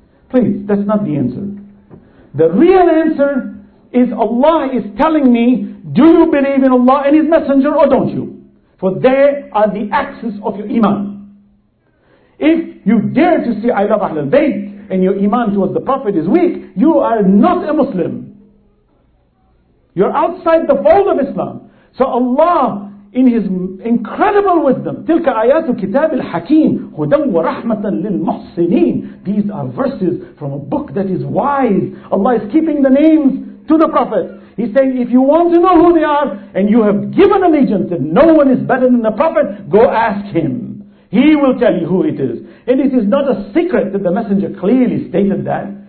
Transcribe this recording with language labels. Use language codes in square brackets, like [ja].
[en] Please, that's not the answer. The real answer is, Allah is telling me, do you believe in Allah and His Messenger or don't you? For they are the axis of your iman. If you dare to say, "I love Ahlul Bayt," and your iman towards the Prophet is weak, you are not a Muslim. You're outside the fold of Islam. So Allah, in His incredible wisdom, [ar] تِلْكَ آيَاتُ كِتَابِ الْحَكِيمِ هُدًى وَرَحْمَةً لِلْمُحْسِنِينَ. [en] These are verses from a book that is wise. Allah is keeping the names to the Prophet. He's saying, if you want to know who they are, and you have given allegiance that no one is better than the Prophet, go ask him. He will tell you who it is. And it is not a secret that the Messenger clearly stated that.